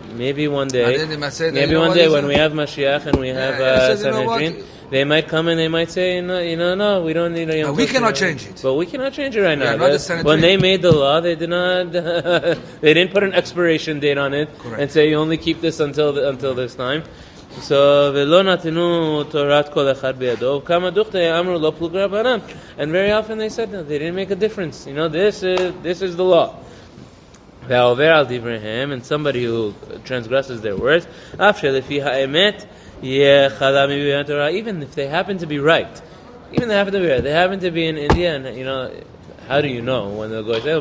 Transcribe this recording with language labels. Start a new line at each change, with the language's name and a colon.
English: Maybe one day, we have Mashiach and we have Sanhedrin. They might come and they might say, no, we don't need a Yom Tov. We cannot change it. But we cannot change it right now. Yeah, not when they made the law, they did not, they didn't put an expiration date on it. Correct. And say, you only keep this until this time.
Hebrew: So, ולא נתנו תורת כל אחד בידו, כמה דוכתי אמרו לא פלוג רבנם.
English: And very often they said, they didn't make a difference. You know, this is the law.
Hebrew: והעובר על דבריהם,
English: and somebody who transgresses their words,
Hebrew: אף שלפי האמת,
English: even if they happen to be right, they happen to be in India, and you know, how do you know when they'll go to jail?